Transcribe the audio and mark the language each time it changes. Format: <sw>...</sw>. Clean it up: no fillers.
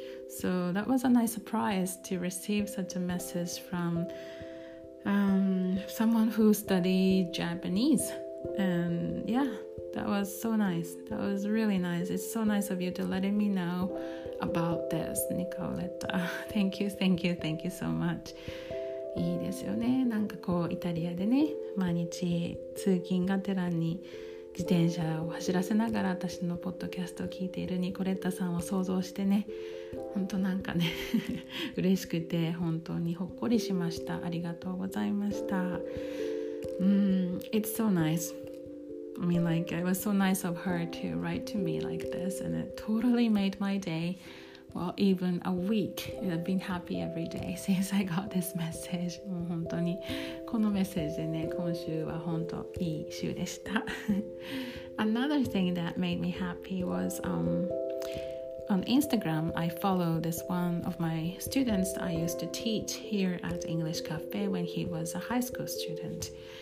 <en>So that was a nice surprise to receive such a message from someone who studied Japanese. And yeah, that was so nice. That was really nice. It's so nice of you to letting me know about this, Nicoletta. Thank you, thank you, thank you so much.</en> <ja>いいですよね。なんかこうイタリアでね毎日通勤がてらに自転車を走らせながら私のポッドキャストを聞いているニコレッタさんを想像してね、本当なんかね嬉しくて本当にほっこりしました。ありがとうございました。</ja> <en>It's so nice. I mean like it was so nice of her to write to me like this and it totally made my dayWell, even a week, I've been happy every day since I got this message.</en> <ja>もう本当にこのメッセージでね、今週は本当いい週でした。</ja> <en>Another thing that made me happy was on Instagram, I follow this one of my students I used to teach here at English Cafe when he was a high school student.</en>